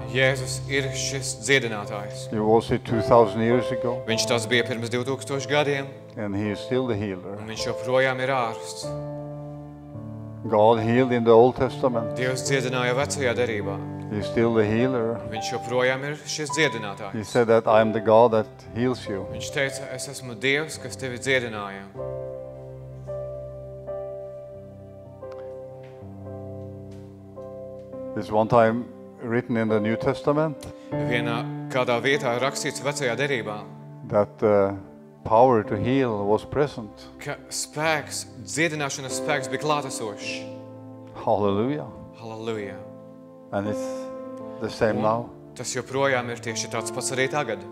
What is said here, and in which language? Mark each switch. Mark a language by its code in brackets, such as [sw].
[lv] Jēzus ir šis dziedinātājs. [en] He was it 2000 years ago. [lv] Viņš tas bija pirms 2000 gadiem. [en] And he is still the healer. [lv] Un viņš joprojām ir ārsts. [en] God healed in the Old Testament. [lv] Dievs dziedināja vecajā derībā. [en] He is still the healer. [lv] Viņš joprojām ir šis dziedinātājs. [en] He said that I am the God that heals you. [lv] Viņš teica, es esmu Dievs, kas tevi dziedināja. [en] Is one time written in the New Testament. [lv] Vienā kādā vietā rakstīts vecajā derībā. [en] That power to heal was present. [lv] Ka spēks, dziedināšanas spēks bija klātesošs. [en] Hallelujah. [lv] Hallelujah. [en] And it's the same [lv] Un, [en] now. [lv] Tas joprojām ir tieši tāds pats arī tagad.